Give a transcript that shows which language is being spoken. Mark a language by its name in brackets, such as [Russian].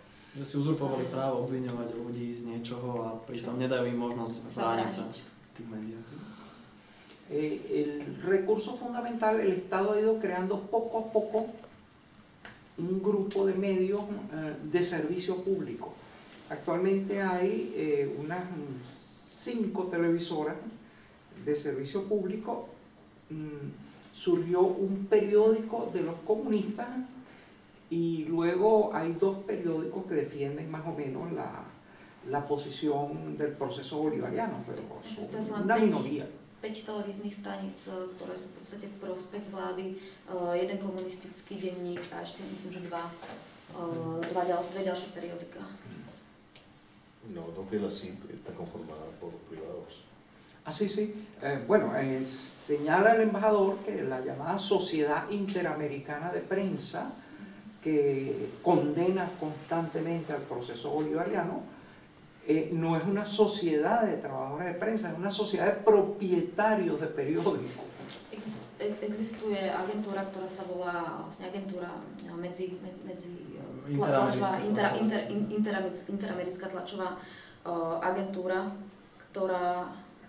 [Slovak] Že si uzurpovali právo obviňovať ľudí z niečoho a pritom nedajú im možnosť brániť sa v tých médiách. [Spanish] El recurso fundamental, el Estado ha ido creando poco a poco un grupo de medios de servicio público. Actualmente hay unas 5 televisoras de servicio público. Surgió un periódico de los comunistas Y luego hay dos periódicos que defienden más o menos la posición del proceso bolivariano, pero una minoría. [Slovak] 5 televíznych staníc, ktoré sú v podstate v prospech vlády, jeden komunistický denník a ešte myslím, že dve ďalšie periodika. No, no byla si tak conformada por privados. [Spanish] Ah, sí, sí. Bueno, señala el embajador que la llamada Sociedad Interamericana de Prensa, que condena constantemente al proceso bolivariano, no es una sociedad de trabajadores de prensa, es una sociedad de propietarios de periódicos. Existe [Slovak] agentura, ktorá sa volá agentura medzi interamerická tlačová agentura, ktorá